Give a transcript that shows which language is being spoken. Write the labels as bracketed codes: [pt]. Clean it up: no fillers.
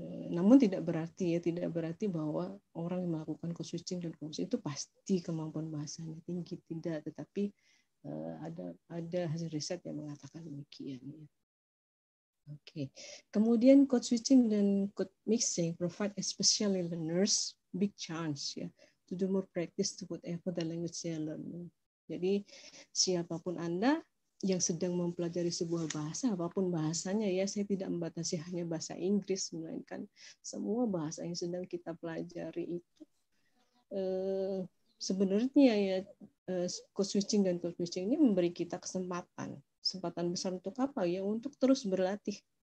[id] Namun tidak berarti bahwa orang yang melakukan code switching dan code switching itu pasti kemampuan bahasanya tinggi, tidak, tetapi ada hasil riset yang mengatakan demikian. Oke. Kemudian [en] code switching dan code mixing provide especially learners big chance ya to do more practice to whatever the language they are learning. [id] Jadi siapapun Anda yang sedang mempelajari sebuah bahasa, apapun bahasanya ya, saya tidak membatasi hanya bahasa Inggris, melainkan semua bahasa yang sedang kita pelajari itu sebenarnya ya, code switching dan code switching ini memberi kita kesempatan besar untuk apa ya, untuk terus berlatih.